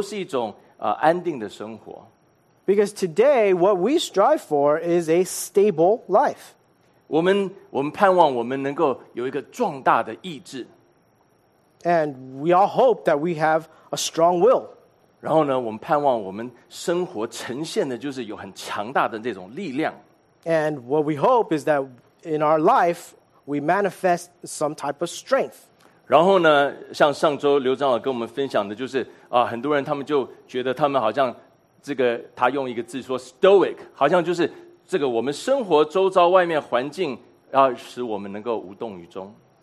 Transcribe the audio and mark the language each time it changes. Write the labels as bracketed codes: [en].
[zh] 因为今天的人，我们所提倡的，我们所钦佩的，或甚至说我们想要追求的，都是一种安定的生活。 [en] Because today, what we strive for is a stable life. [zh] 我们盼望我们能够有一个壮大的意志。 [en] And we all hope that we have a strong will. [zh] 然后呢，我们盼望我们生活呈现的就是有很强大的这种力量。 [en] And what we hope is that in our life we manifest some type of strength. [zh] 然后呢，像上周刘长老跟我们分享的，就是很多人他们就觉得他们好像这个他用一个字说 stoic， 好像就是这个我们生活周遭外面环境要使我们能够无动于衷。